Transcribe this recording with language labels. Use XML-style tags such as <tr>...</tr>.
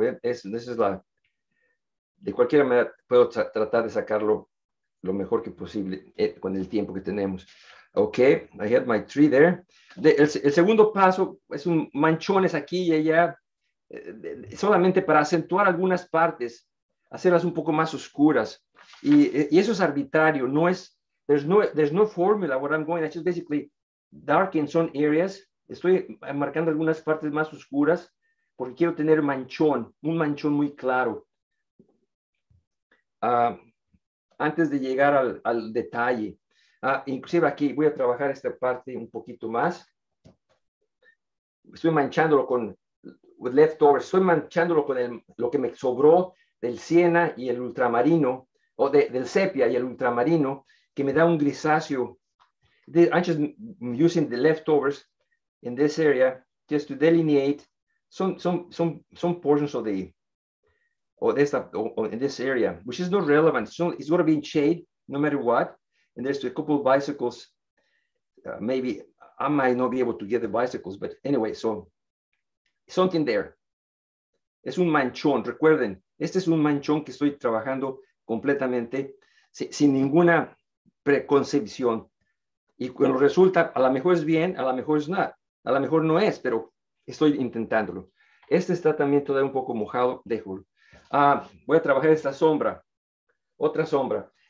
<es>De cualquier manera, puedo tratar de sacarlo lo mejor que posible con el tiempo que tenemos.</es> <en>Ok, I had my tree there.</en> <es>El segundo paso es un manchones aquí y allá, solamente para acentuar algunas partes, hacerlas un poco más oscuras. Y eso es arbitrario, no es.</es> <en>There's no formula where I'm going. I just basically darken some areas.</en> <es>Estoy marcando algunas partes más oscuras porque quiero tener manchón, un manchón muy claro. Antes de llegar al detalle. Inclusive aquí voy a trabajar esta parte un poquito más. Estoy manchándolo con leftovers. Estoy manchándolo con lo que me sobró del siena y el ultramarino, o del sepia y el ultramarino, que me da un grisáceo.</es> <en>I'm just using the leftovers in this area just to delineate some portions of the in this area, which is not relevant. So it's going to be in shade no matter what. And there's a couple of bicycles. Maybe I might not be able to get the bicycles, but anyway, so something there.</en> <es>Es un manchón. Recuerden, este es un manchón que estoy trabajando completamente sin ninguna preconcepción. Y cuando resulta, a lo mejor es bien, a lo mejor es nada. A lo mejor no es, pero estoy intentándolo. Este está también todavía un poco mojado, dejo. Voy a trabajar esta sombra. Otra sombra.</es>